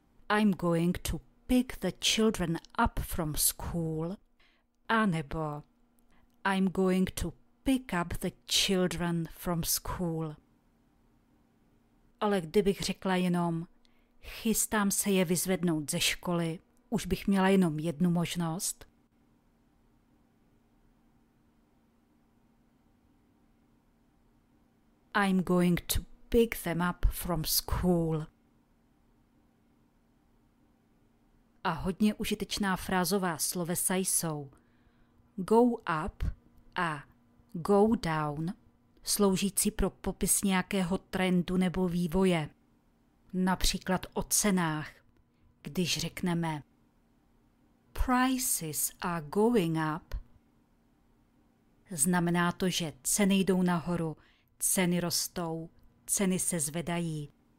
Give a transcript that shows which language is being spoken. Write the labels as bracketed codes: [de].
[en] I'm going to pick the children up from school. [cs] Anebo [en] I'm going to pick up the children from school. [cs] Ale kdybych řekla jenom chystám se je vyzvednout ze školy, už bych měla jenom jednu možnost. [en] I'm going to pick them up from school. [cs] A hodně užitečná frázová slovesa jsou go up a go down, sloužící pro popis nějakého trendu nebo vývoje. Například o cenách, když řekneme [en] prices are going up, [cs] znamená to, že ceny jdou nahoru, ceny rostou, ceny se zvedají.